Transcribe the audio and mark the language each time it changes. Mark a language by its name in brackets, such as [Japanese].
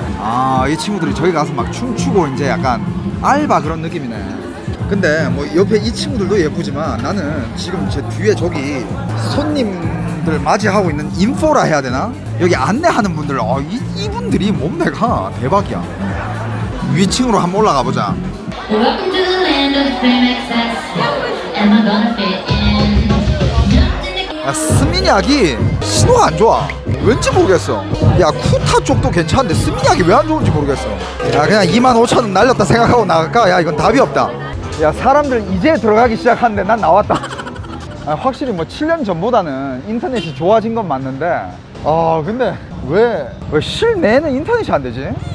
[Korean] 아, 이 친구들이 저기 가서 막 춤추고 이제 약간 알바 그런 느낌이네. 근데 뭐 옆에 이 친구들도 예쁘지만 나는 지금 제 뒤에 저기 손님들 맞이하고 있는 인포라 해야 되나? 여기 안내하는 분들, 이분들이 몸매가 대박이야. 위층으로 한번 올라가 보자. [English] Welcome to the land of free access. Am I gonna fit in? [Korean] 야, 스미냐기 신호가 안 좋아. 왠지 모르겠어. 야, 쿠타 쪽도 괜찮은데 스미냐기 왜 안 좋은지 모르겠어. 야, 그냥 25,000원 날렸다 생각하고 나갈까? 야, 이건 답이 없다. 야, 사람들 이제 들어가기 시작하는데 난 나왔다. 아, 확실히 뭐 7년 전보다는 인터넷이 좋아진 건 맞는데. 근데 왜 실내는 인터넷이 안 되지?